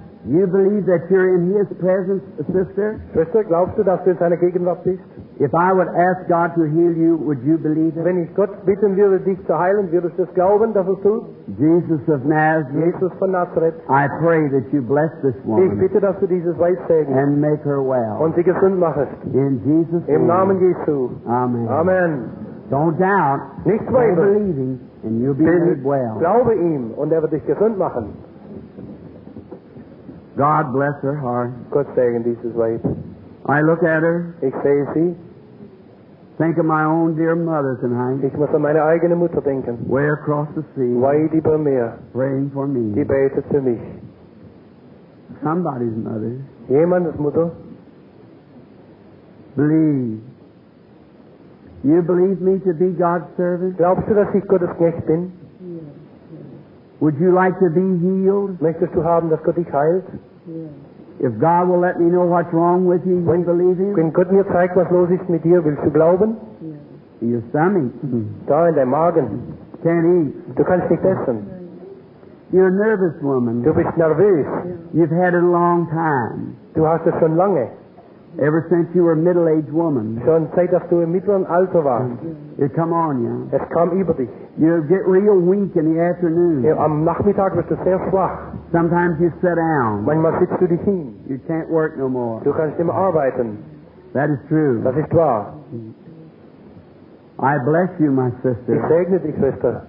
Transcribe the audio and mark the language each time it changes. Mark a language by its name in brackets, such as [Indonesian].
[English] You believe that you're in his presence, sister? [German] Schwester, glaubst du, dass du in seiner Gegenwart bist? [English] If I would ask God to heal you, would you believe it? [German] Wenn ich Gott bitten würde, dich zu heilen, würdest du es glauben, dass es tut? [English] Jesus of Nazareth. [German] Jesus von Nazareth. [English] I pray that you bless this woman. [German] Ich bitte, dass du dieses Weib segnest. [English] And make her well. [German] Und sie gesund machest. [English] In Jesus' name. [German] Im Namen Jesu. [English] Amen. [German] Amen. [English] Don't doubt. [German] Nicht zweifeln. [English] Don't believe him, and you'll be made well. [German] Glaube ihm, und wird dich gesund machen. [English] God bless her heart. [German] Gott segne dieses Weib. [English] I look at her. [German] Ich sehe sie. [English] Think of my own dear mother tonight. [German] Ich muss an meine eigene Mutter denken. [English] Way across the sea. [German] Weit über Meer. [English] Praying for me. [German] Die betet für mich. [English] Somebody's mother. [German] Jemandes Mutter. [English] Believe. You believe me to be God's servant? [German] Glaubst du, dass ich Gottes Knecht bin? [English] Would you like to be healed? [German] Möchtest du haben, dass Gott dich heilt? [English] If God will let me know what's wrong with you, will you believe him? [German] Wenn Gott mir zeigt, was los ist mit dir, willst du glauben? [English] Yeah. Your stomach. [German] Da in deinem Magen. [English] Can't eat. [German] Du kannst nicht essen. [English] You're a nervous woman. [German] Du bist nervös. [English] You've had it a long time. [German] Du hast es schon lange. [English] Ever since you were a middle-aged woman. [German] Schon seit, dass du im mittleren Alter warst. [English] It come on you. [German] Es kam über dich. [English] You get real weak in the afternoon. [German] Ja, am Nachmittag wirst du sehr schwach. [English] Sometimes you sit down. [German] Manchmal sitzt du dich hin. [English] You can't work no more. [German] Du kannst nicht mehr arbeiten. [English] That is true. [German] Das ist wahr. [English] I bless you, my sister. [German] Ich segne dich, Schwester.